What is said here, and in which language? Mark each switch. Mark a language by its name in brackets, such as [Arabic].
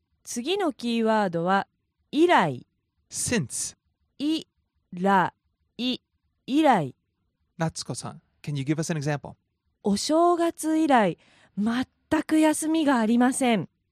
[Japanese] 次のキーワードは以来 [English] Since. [Japanese] 以来以来 [English] Natsuko-san, can you give us an example? [Japanese] お正月以来全く休みがありません。